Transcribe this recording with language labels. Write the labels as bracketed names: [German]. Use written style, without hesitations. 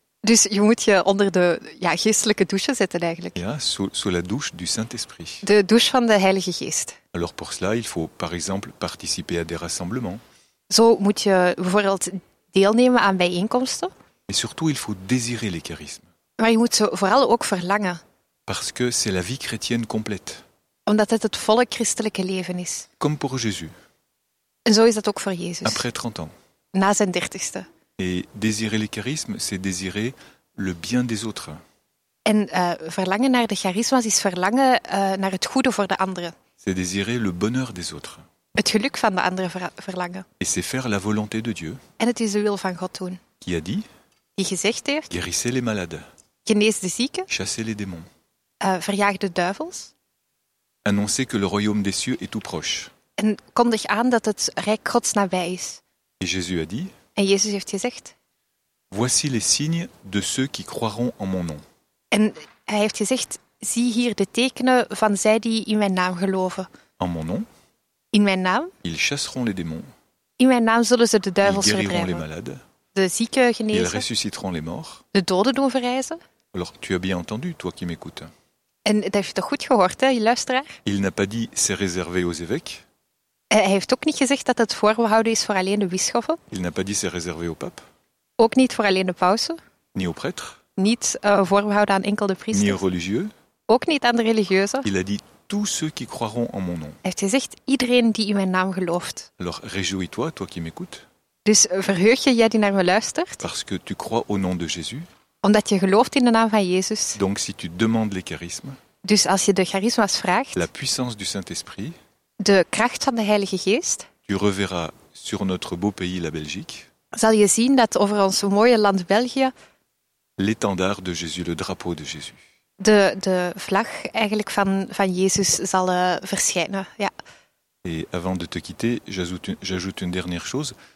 [Dutch] Dus je moet je onder de geestelijke douche zetten eigenlijk. [French] Ja, sous la douche du Saint-Esprit. [Dutch] De douche van de Heilige Geest. [French] Alors pour cela, il faut par exemple participer à des rassemblements. [Dutch] Zo moet je bijvoorbeeld deelnemen aan bijeenkomsten. [French] Et surtout, il faut désirer les charismes. [Dutch] Maar je moet ze vooral ook verlangen. [French] Parce que c'est la vie chrétienne complète. [Dutch] Omdat het het volle christelijke leven is. [French] Comme pour Jésus. [Dutch] En zo is dat ook voor Jezus. [French] Après 30 ans. [Dutch] Na zijn 30ste. [French] Et désirer les charismes, c'est désirer le bien des autres. [Dutch] En verlangen naar de charismas is verlangen naar het goede voor de anderen. [French] C'est désirer le bonheur des autres. [Dutch] Het geluk van de anderen verlangen. [French] Et c'est faire la volonté de Dieu. [Dutch] En het is de wil van God doen. [French] Qui a dit? [Dutch] Die gezegd heeft. [French] Guérissez les malades. [Dutch] Genees de zieken. [French] Chassez les démons. [Dutch] Verjaag de duivels. [French] Annoncez que le royaume des cieux est tout proche. [Dutch] En kondig aan dat het rijk Gods nabij is. [French] Et Jésus a dit. [Dutch] En Jezus heeft gezegd. [French] Voici les signes de ceux qui croiront en mon nom. [Dutch] En hij heeft gezegd, zie hier de tekenen van zij die in mijn naam geloven. [French] En mon nom. [Dutch] In mijn naam. [French] Ils chasseront les démons. [Dutch] In mijn naam zullen ze de duivels verdrijven. [French] Ils guériront les malades. [Dutch] De zieken genezen. [French] Ils ressusciteront les morts. [Dutch] De doden doen verrijzen. [French] Alors, tu as bien entendu, toi qui m'écoutes. [Dutch] En dat heb je toch goed gehoord, hè, je luisteraar? [French] Il n'a pas dit, c'est réservé aux évêques. [Dutch] Hij heeft ook niet gezegd dat het voorbehouden is voor alleen de bisschoppen. [French] Il n'a pas dit, c'est réservé au pape. [Dutch] Ook niet voor alleen de pausen. [French] Ni aux prêtres. [Dutch] Niet voorbehouden aan enkel de priesters. [French] Ni aux religieux. [Dutch] Ook niet aan de religieuzen. [French] Il a dit, tous ceux qui croiront en mon nom. [Dutch] Hij heeft gezegd, iedereen die in mijn naam gelooft. [French] Alors, réjouis-toi, toi qui m'écoutes. [Dutch] Dus verheug je jij die naar me luistert? [French] Parce que tu crois au nom de Jésus. [Dutch] Omdat je gelooft in de naam van Jezus. [French] Donc si tu demandes les charismes. [Dutch] Dus als je de charisma's vraagt. [French] La puissance du Saint-Esprit. [Dutch] De kracht van de Heilige Geest. [French] Tu reverras sur notre beau pays, la Belgique. [Dutch] Zal je zien dat over ons mooie land België. [French] L'étendard de Jésus, le drapeau de Jésus. [Dutch] De vlag eigenlijk van Jezus zal verschijnen. Ja. [French] Et avant de te quitter, j'ajoute une dernière chose.